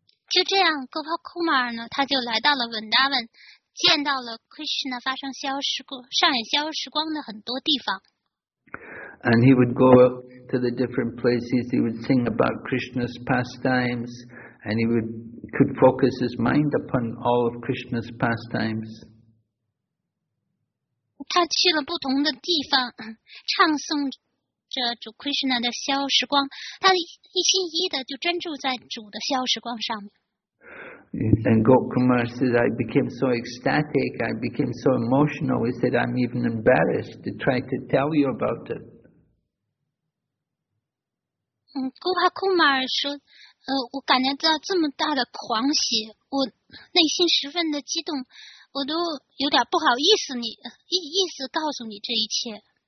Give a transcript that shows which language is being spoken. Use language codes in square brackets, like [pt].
[zh] 就这样 Gopal Kumar 呢他就来到了 Vrindavan, 见到了 Krishna 发生上演消失光的很多地方。 [en] And he would go to the different places, he would sing about Krishna's pastimes, and he could focus his mind upon all of Krishna's pastimes. [zh] 他去了不同的地方唱诵着主 Krishna 的消失光他一心一意的就专注在主的消失光上面。 [en] And Gopkumar said, I became so ecstatic, I became so emotional, he said, I'm even embarrassed to try to tell you about it. [zh] Gopal Kumar 说我感觉到这么大的狂喜我内心十分的激动我都有点不好意思你意思告诉你这一切。